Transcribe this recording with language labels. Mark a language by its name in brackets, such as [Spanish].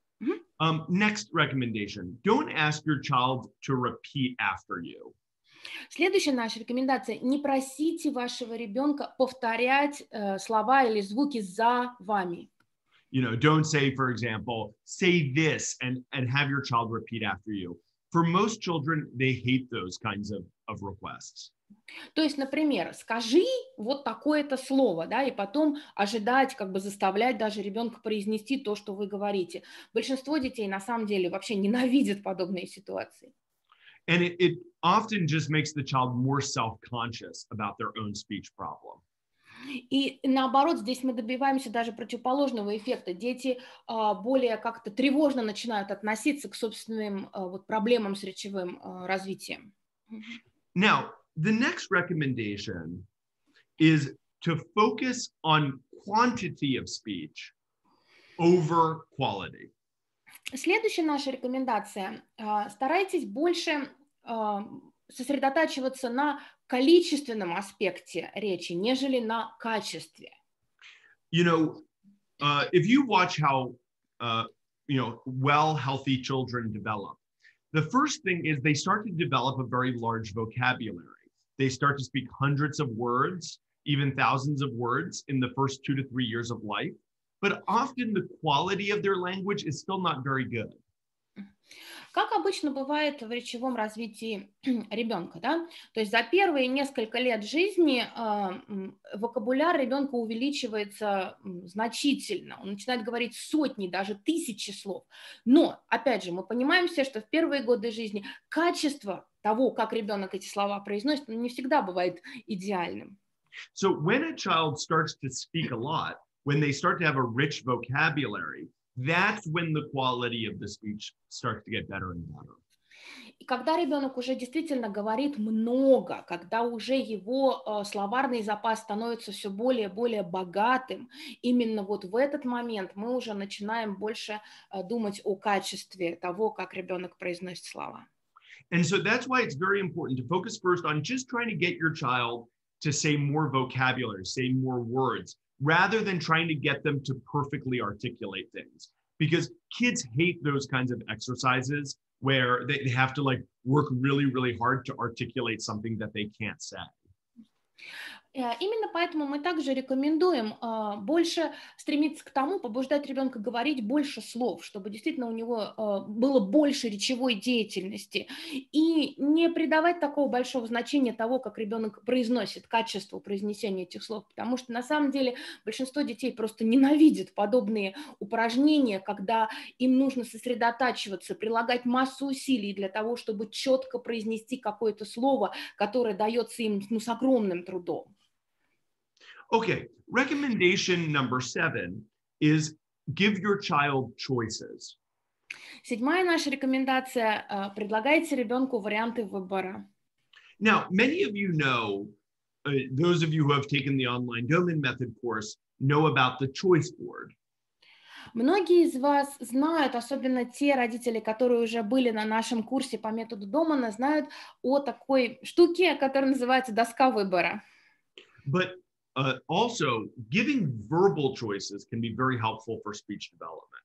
[English] Next recommendation. Don't ask your child to repeat after you. [Russian] Следующая наша рекомендация – не просите вашего ребенка повторять слова или звуки за вами. [English] You know, don't say, for example, say this and have your child repeat after you. For most children, they hate those kinds of requests. [Russian] То есть, например, скажи вот такое-то слово, да, и потом ожидать, как бы заставлять даже ребенка произнести то, что вы говорите. Большинство детей, на самом деле, вообще ненавидят подобные ситуации. [English] And it often just makes the child more self-conscious about their own speech problem. [Russian] И наоборот, здесь мы добиваемся даже противоположного эффекта. Дети более как-то тревожно начинают относиться к собственным вот проблемам с речевым развитием. [English] Now, the next recommendation is to focus on quantity of speech over quality. [Russian] Следующая наша рекомендация. Старайтесь больше сосредотачиваться на количественном аспекте речи, нежели на качестве. [English] You know, if you watch how, you know, well, healthy children develop, the first thing is they start to develop a very large vocabulary. They start to speak hundreds of words, even thousands of words in the first 2 to 3 years of life. but often the quality of their language is still not very good. [Russian] Как обычно бывает в речевом развитии ребенка, да? То есть за первые несколько лет жизни вокабуляр ребенка увеличивается значительно. Он начинает говорить сотни, даже тысячи слов. Но, опять же, мы понимаем все, что в первые годы жизни качество того, как ребенок эти слова произносит, не всегда бывает идеальным. [English] So when a child starts to speak a lot, when they start to have a rich vocabulary, that's when the quality of the speech starts to get better and better. [Russian] И когда ребенок уже действительно говорит много, когда уже его словарный запас становится все более и более богатым, именно вот в этот момент мы уже начинаем больше думать о качестве того, как ребенок произносит слова. [English] And so that's why it's very important to focus first on just trying to get your child to say more vocabulary, say more words, rather than trying to get them to perfectly articulate things. Because kids hate those kinds of exercises where they have to like work really, really hard to articulate something that they can't say. [Russian] Именно поэтому мы также рекомендуем больше стремиться к тому, побуждать ребенка говорить больше слов, чтобы действительно у него было больше речевой деятельности, и не придавать такого большого значения того, как ребенок произносит, качеству произнесения этих слов, потому что на самом деле большинство детей просто ненавидят подобные упражнения, когда им нужно сосредотачиваться, прилагать массу усилий для того, чтобы четко произнести какое-то слово, которое дается им с огромным трудом. [English] Okay, recommendation number 7 is give your child choices. [Russian] Седьмая наша рекомендация – предлагайте ребенку варианты выбора. [English] Now, many of you know, those of you who have taken the online Domain Method course know about the choice board. [Russian] Многие из вас знают, особенно те родители, которые уже были на нашем курсе по методу Домана, знают о такой штуке, которая называется доска выбора. [English] But also, giving verbal choices can be very helpful for speech development.